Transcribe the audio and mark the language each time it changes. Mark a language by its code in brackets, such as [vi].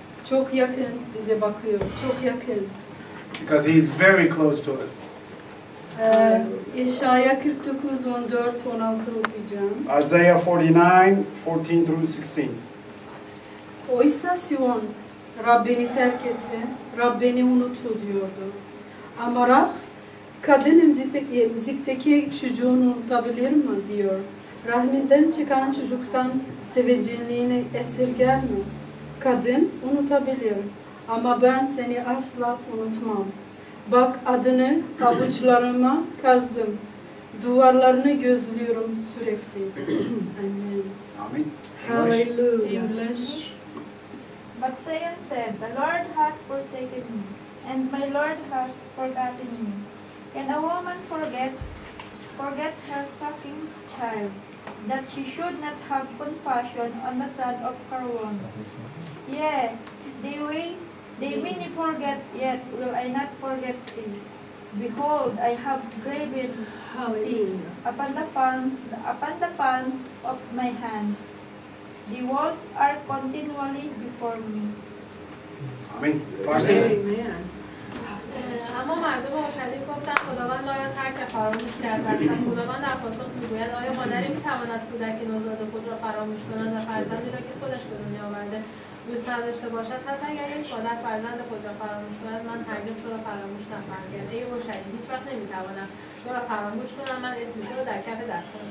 [tr] Çok yakın bize bakıyor, çok yakın. [en] Because He's very close to us. [tr] İsaya 49, 14, 16 okuyacağım. [en] Isaiah 49, 14 through 16. [tr] Oysa Sion, Rabbini terk etti, Rabbini unuttu diyordu. Ama Rab, kadın emzikteki çocuğunu unutabilir mi diyor. Rahminden çıkan çocuktan sevecenliğini esirger mi? Kadın unutabilir ama ben seni asla unutmam. Bak adını avuçlarıma kazdım. Duvarlarını gözlüyorum sürekli. Amen. Amen. Hallelujah. [en] English. But Zion said, the Lord hath forsaken me, and my Lord hath forgotten me. Can a woman forget her sucking child, that she should not have compassion on the son of her womb? Yea, they many forget, yet will I not forget thee. Behold, I have graven thee upon the palms of my hands. The walls are continually before me. Amen. Farsi. Amen. [fa] اما مردم اورشلیم گفتن خداوند آیا ترک فراموش کرد و خداوند در پاسخ میگوید آیا مادری میتواند کودک نوزاد خود را فراموش کند و فرزندی را که خودش به دنیا آورده دوست نداشته باشد حتی اگر یک مادر فرزند خود را فراموش کند من هرگز تو را فراموش نخواهم کرد ای اورشلیم هیچ وقت نمیتوانم تو را فراموش کنم من اسم تو را در کف دست خود